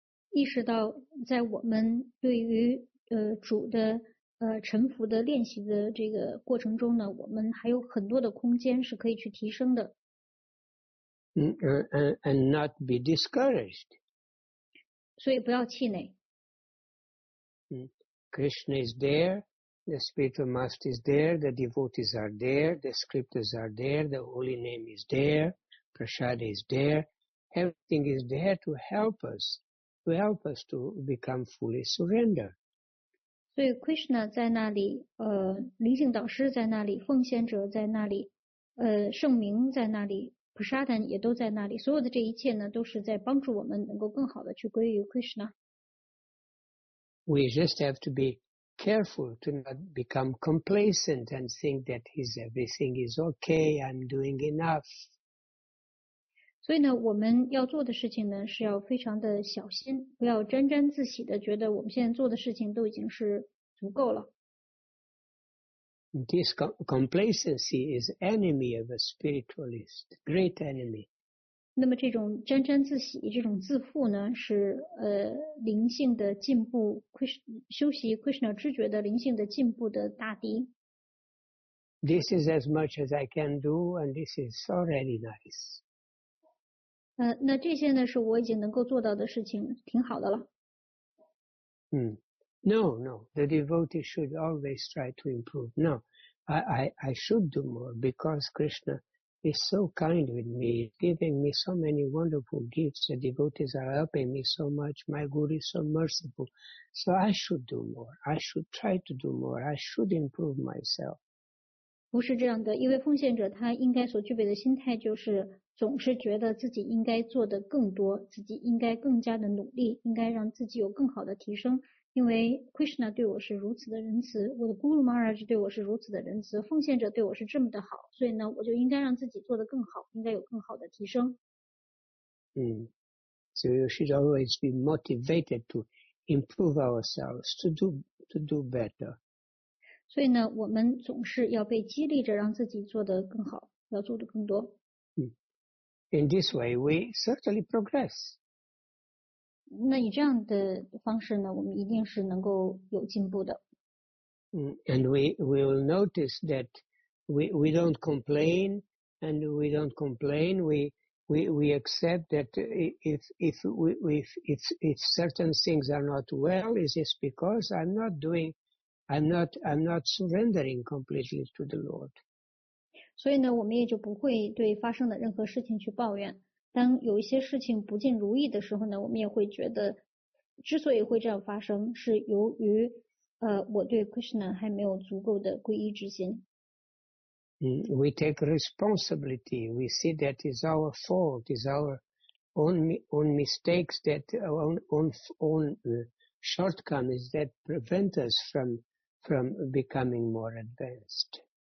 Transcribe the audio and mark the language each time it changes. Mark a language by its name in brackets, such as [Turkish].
[Chinese] 意识到在我们对于主的臣服的练习的这个过程中呢，我们还有很多的空间是可以去提升的。 [English] And not be discouraged. [Chinese] 所以不要气馁。 [English] Krishna is there, the spiritual master is there, the devotees are there, the scriptures are there, the holy name is there, prasad is there, everything is there to help us to become fully surrendered. [Chinese] 所以 Krishna 在那里，灵性导师在那里，奉献者在那里，圣明在那里， Prasadam 也都在那里，所有的这一切呢，都是在帮助我们能够更好的去归于 Krishna。 [English] We just have to be careful to not become complacent and think that everything is okay, I'm doing enough. [Chinese] 所以呢，我们要做的事情呢，是要非常的小心，不要沾沾自喜的觉得我们现在做的事情都已经是足够了。 [English] This complacency is enemy of a spiritualist, great enemy. [Chinese] 那么这种沾沾自喜、这种自负呢，是灵性的进步、修习 Krishna 知觉的灵性的进步的大敌。 [English] This is as much as I can do, and this is already nice. [Chinese] 那这些呢是我已经能够做到的事情，挺好的了。 [English] No, the devotee should always try to improve. No, I should do more because Krishna is so kind with me, giving me so many wonderful gifts. The devotees are helping me so much. My guru is so merciful. So I should do more. I should try to do more. I should improve myself. [Chinese] 不是这样的，因为奉献者他应该所具备的心态就是总是觉得自己应该做得更多，自己应该更加的努力，应该让自己有更好的提升。因为 Krishna 对我是如此的仁慈，我的 Guru Maharaj 对我是如此的仁慈，奉献者对我是这么的好，所以呢，我就应该让自己做得更好，应该有更好的提升。 [English] So you should always be motivated to improve ourselves, to do better. [Chinese] 所以呢，我们总是要被激励着让自己做得更好，要做得更多。 [English] In this way, we certainly progress. [Chinese] 那以这样的方式呢，我们一定是能够有进步的。 [English] And we will notice that we don't complain, And we don't complain. We accept that if certain things are not well, is this because I'm not surrendering completely to the Lord. [Chinese] 所以呢，我们也就不会对发生的任何事情去抱怨。当有一些事情不尽如意的时候呢，我们也会觉得，之所以会这样发生，是由于我对 Krishna 还没有足够的皈依之心。 [English] We take responsibility. We see that it's our fault, it's our own mistakes, that our own shortcomings that prevent us from becoming more advanced.